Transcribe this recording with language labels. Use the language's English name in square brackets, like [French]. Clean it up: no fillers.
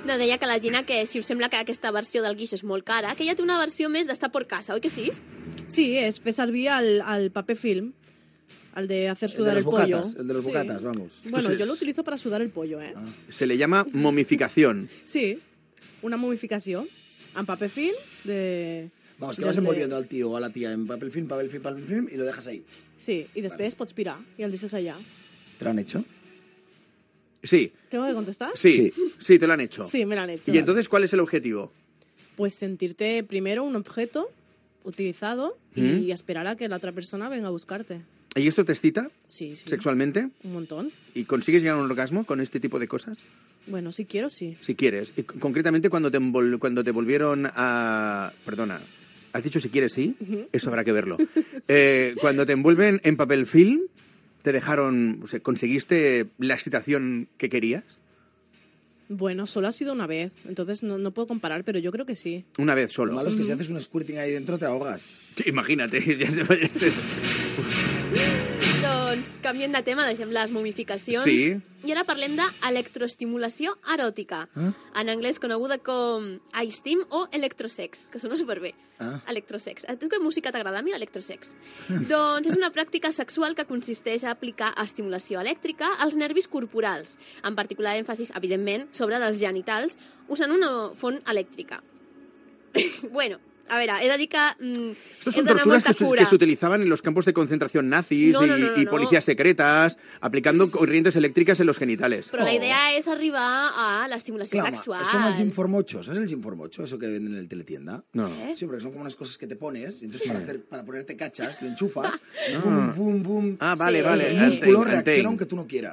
[Catalan] No, deia que la Gina, que si us sembla que aquesta versió del guix és molt cara, que ella té una versió més d'estar por casa, oi que sí? Sí, és fer servir el paper film, [Spanish] el de hacer sudar el pollo. El de los bocatas, sí. Vamos. Bueno, pues yo lo utilizo para sudar el pollo, ¿eh? Se le llama momificación. Sí, una momificación en paper film de... Vamos, que vas envolviendo al tío o a la tía en papel film y lo dejas ahí. Sí, y después vale. [Catalan] Pots pirar [Spanish] y el dices allá. ¿Te lo han hecho? Sí. ¿Tengo que contestar? Sí. Sí, te lo han hecho. Sí, me lo han hecho. ¿Y vale. Entonces cuál es el objetivo? Pues sentirte primero un objeto utilizado y esperar a que la otra persona venga a buscarte. ¿Y esto te excita? Sí, sí. ¿Sexualmente? Un montón. ¿Y consigues llegar a un orgasmo con este tipo de cosas? Bueno, si quiero, sí. Si quieres. Y concretamente cuando te volvieron a... Perdona. ¿Has dicho si quieres, sí? Uh-huh. Eso habrá que verlo. cuando te envuelven en papel film... ¿Te dejaron, o sea, conseguiste la excitación que querías? Bueno, solo ha sido una vez, entonces no puedo comparar, pero yo creo que sí. Una vez solo. Lo malo es que si haces un squirting ahí dentro te ahogas. Sí, imagínate, ya se vaya a ser. No. [Catalan] Doncs canviem de tema, deixem les momificacions. Sí. I ara parlem d'electroestimulació eròtica. Eh? En anglès coneguda com ice steam o electrosex, que sona superbé. Ah. Electrosex. A tu que música t'agrada? Mira, electrosex. Doncs és una pràctica sexual que consisteix a aplicar estimulació elèctrica als nervis corporals, en particular èmfasis, evidentment, sobre dels genitals, usant una font elèctrica. Bueno, a veure, he de dir que... [Spanish] Estos son tortures que s'utilizaven en los campos de concentración nazis y policías secretas, aplicando corrientes eléctricas en los genitales. [Catalan] Però la idea és arribar a l'estimulació sexual. Clar, són els Gimformochos. [Spanish] ¿Sabes el Gimformocho? Eso que venden en el teletienda. No. Sí, porque son como unas cosas que te pones, y entonces para ponerte cachas, lo enchufas, bum, bum, bum... Ah, vale, vale. El músculo reacciona aunque tú no quieras.